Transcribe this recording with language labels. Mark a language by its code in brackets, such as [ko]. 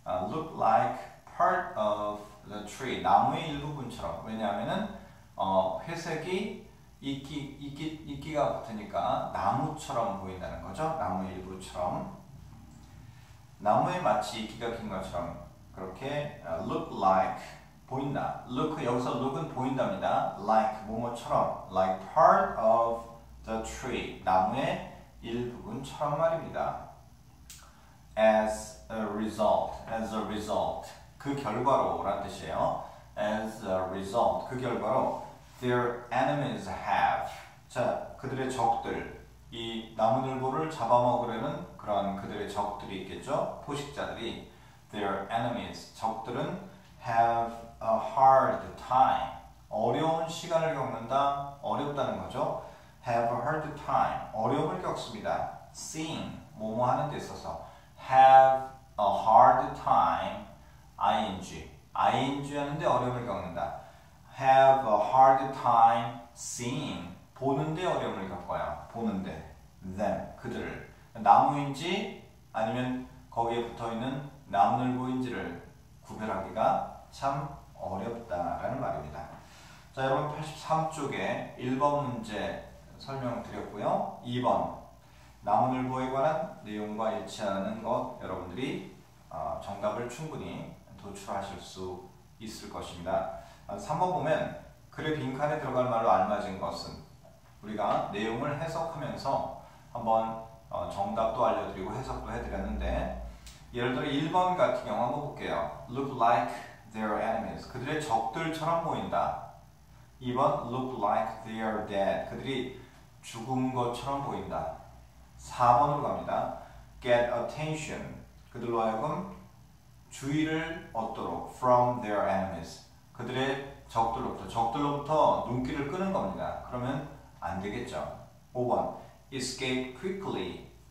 [en] look like part of the tree [ko] 나무의 일부분처럼 왜냐하면은 회색이 이끼가 붙으니까 나무처럼 보인다는 거죠. 나무의 일부처럼 나무에 마치 이끼가 긴 것처럼 [en] look like [ko] 보인다. Look 여기서 look은 보인답니다. [en] Like 뭐뭐처럼, like part of the tree [ko] 나무의 일부분처럼 말입니다. [en] As a result [ko] 그 결과로란 뜻이에요. As a result 그 결과로 [en] their enemies have [ko] 자 그들의 적들 이 나무 일부를 잡아먹으려는 그런 그들의 적들이 있겠죠. 포식자들이 their enemies 적들은 [en] have a hard time [ko] 어려운 시간을 겪는다 어렵다는 거죠. [en] Have a hard time [ko] 어려움을 겪습니다. Seeing 뭐뭐하는 데 있어서 have a hard time ing 하는데 어려움을 겪는다. [en] Have a hard time seeing [ko] 보는데 어려움을 겪어요. 보는데 them 그들을 나무인지 아니면 거기에 붙어 있는 나무늘보인지를 구별하기가 참 어렵다라는 말입니다. 자 여러분 83쪽에 1번 문제 설명드렸고요. 2번 나무늘보에 관한 내용과 일치하는 것 여러분들이 정답을 충분히 도출하실 수 있을 것입니다. 3번 보면 글의 빈칸에 들어갈 말로 알맞은 것은 우리가 내용을 해석하면서 한번 정답도 알려드리고 해석도 해드렸는데 예를 들어 1번 같은 경우 한번 볼게요. [en] Look like their enemies. [ko] 그들의 적들처럼 보인다. [en] 2번 Look like they are dead. [ko] 그들이 죽은 것처럼 보인다. 4번으로 갑니다. [en] Get attention. [ko] 그들로 하여금 주의를 얻도록 [en] From their enemies. [ko] 그들의 적들로부터 적들로부터 눈길을 끄는 겁니다. 그러면 안 되겠죠. 5번 [en] Escape quickly.